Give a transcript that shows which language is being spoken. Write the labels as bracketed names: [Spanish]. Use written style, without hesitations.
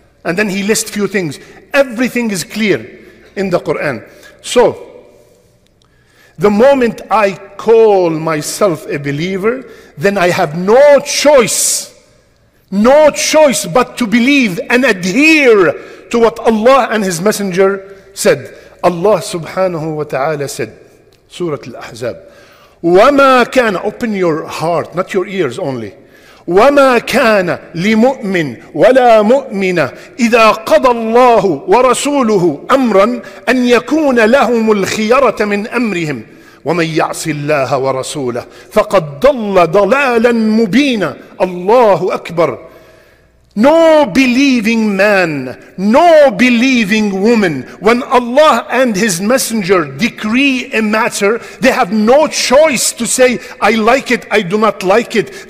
[English] And then he lists few things. Everything is clear in the Quran. So, the moment I call myself a believer, then I have no choice, no choice but to believe and adhere to what Allah and His Messenger said. Allah subhanahu wa ta'ala said, Surah Al-Ahzab, [Arabic] وَمَا كَانَ, [English] open your heart, not your ears only, [Arabic] وَمَا كَانَ لِمُؤْمِنْ وَلَا مُؤْمِنَ إِذَا قَضَى اللَّهُ وَرَسُولُهُ أَمْرًا أَنْ يَكُونَ لَهُمُ الْخِيَرَةَ مِنْ أَمْرِهِمْ وَمَنْ يَعْصِ اللَّهَ وَرَسُولَهُ فَقَدْ ضَلَّ ضَلَالًا مُبِينًا. الله أكبر. [English] No believing man, no believing woman, when Allah and His Messenger decree a matter, they have no choice to say, I like it, I do not like it.